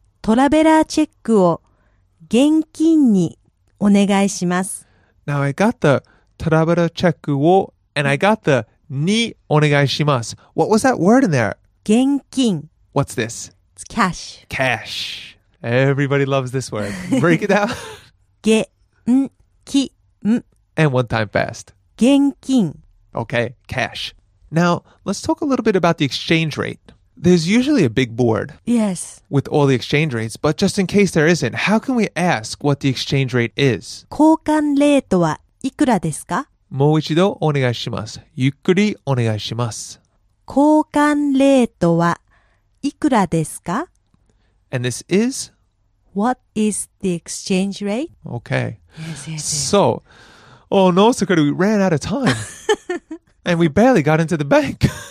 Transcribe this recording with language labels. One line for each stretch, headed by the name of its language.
Japanese: トラベラーチェックを現金にお願いします.
English: Now I got the
Japanese: トラベラーチェックを,
English: and I got the
Japanese: にお願いします.
English: What was that word in there?
Japanese: 現金.
English: What's this? It's cash. Cash. Everybody loves this word. Break it out.
Japanese: 現金.
English: And one time fast.
Japanese: 現金.
English: Okay, cash. Now, let's talk a little bit about the exchange rate. There's usually a big board. Yes. With all the exchange rates, but just in case there isn't, how can we ask what the exchange rate is?
Japanese: 交換レートはいくらですか? もう一度お願いします.ゆっくりお願いします. 交換レートはいくらですか?
English: And this is? What is the exchange rate? Okay. Yes. So, oh no, Sakura, we ran out of time. And we barely got into the bank.